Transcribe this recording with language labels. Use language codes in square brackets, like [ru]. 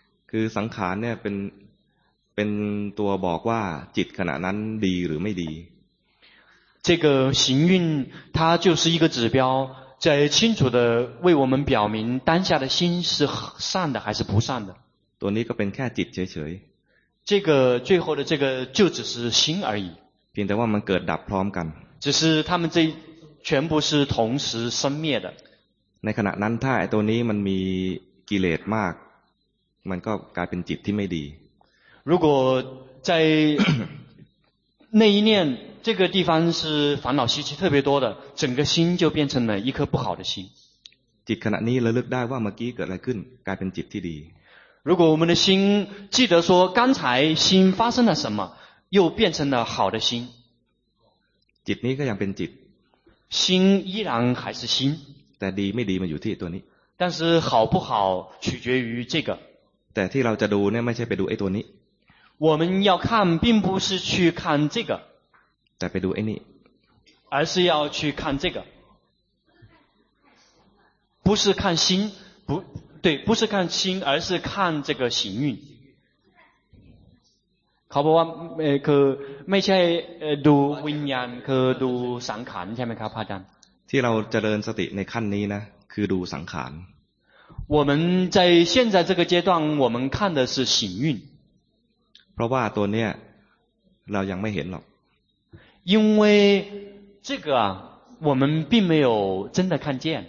[th] คือสังขารเนี่ยเป็นตัวบอกว่าจิตขณะนั้นดีหรือไม่ดี [zh] 这个行运它就是一个指标在清楚的为我们表明当下的心是善的还是不善的 [th] ตัวนี้ก็เป็นแค่จิตเฉย [zh] ๆ这个最后的这个就只是心而已 [th] เพียงแต่ว่ามันเกิดดับพร้อมกัน [zh] 只是他们这全部是同时生灭的 [th] ในขณะนั้นถ้าไอ้ตัวนี้มันมีกิเลสมากมันก็กลายเป็นจิตที่ไม่ดี [zh] 如果在那一念这个地方是烦恼习气特别多的，整个心就变成了一颗不好的心。 [th] จิตขณะนี้ระลึกได้ว่าเมื่อกี้เกิดอะไรขึ้นกลายเป็นจิตที่ดี。 [zh] 如果我们的心记得说刚才心发生了什么，又变成了好的心。 [th] จิตนี้ก็ยังเป็นจิต。 [zh] 心依然还是心。 [th] แต่ดีไม่ดีมันอยู่ที่ตัวนี้。 [zh] 但是好不好取决于这个。 [th] แต่ที่เราจะดูเนี่ยไม่ใช่ไปดูไอ้ตัวนี้。 [zh] 我们要看并不是去看这个。 [th] แต่ไปดูไอ้นี่ [zh] 。 而是要去看这个。不是看心，不对，不是看心，而是看这个行运。考不完，可没在 [th] ดูวิญญาณ，可ดูสังขาร，ใช่ไหมครับพระอาจารย์？ ที่เราเจริญสติในขั้นนี้นะ，คือดูสังขาร。 [zh] 我们在现在这个阶段，我们看的是行运。 [th] เพราะว่าตัวเนี้ยเรายังไม่เห็นหรอก。 [zh] 因为这个啊，我们并没有真的看见。